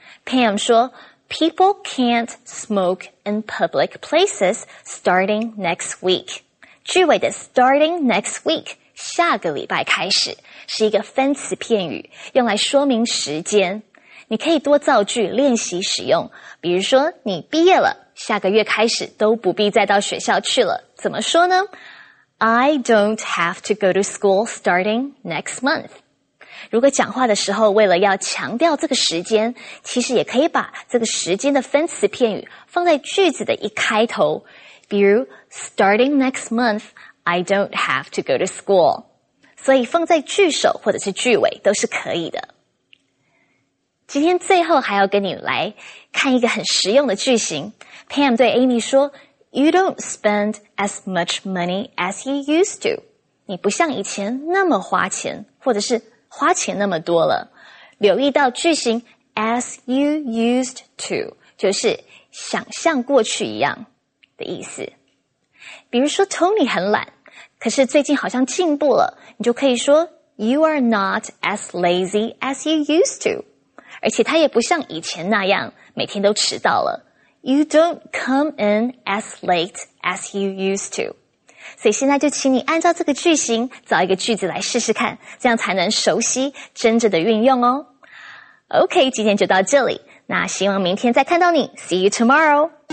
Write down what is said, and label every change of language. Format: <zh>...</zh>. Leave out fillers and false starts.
<en>Pam 说 ,people can't smoke in public places starting next week.</en> <zh>句尾的</zh> <en>starting next week,</en> <zh>下个礼拜开始。是一个分词片语，用来说明时间。你可以多造句练习使用，比如说你毕业了，下个月开始都不必再到学校去了。怎么说呢？</zh> <en>I don't have to go to school starting next month.</en> <zh>如果讲话的时候为了要强调这个时间，其实也可以把这个时间的分词片语放在句子的一开头，比如</zh> <en>starting next month, I don't have to go to school.</en> <zh>所以放在句首或者是句尾都是可以的。今天最后还要跟你来看一个很实用的句型。</zh> <en>Pam 对 Amy 说 You don't spend as much money as you used to.</en> <zh>你不像以前那么花钱，或者是花钱那么多了。留意到句型</zh> <en>as you used to,</en> <zh>就是想像过去一样的意思。比如说 Tony 很懒，可是最近好像进步了，你就可以说</zh> <en>You are not as lazy as you used to.</en> <zh>而且他也不像以前那样每天都迟到了。</zh> <en>You don't come in as late as you used to.</en> <zh>所以现在就请你按照这个句型找一个句子来试试看，这样才能熟悉真正的运用哦。OK, 今天就到这里，那希望明天再看到你。</zh> <en>See you tomorrow!</en>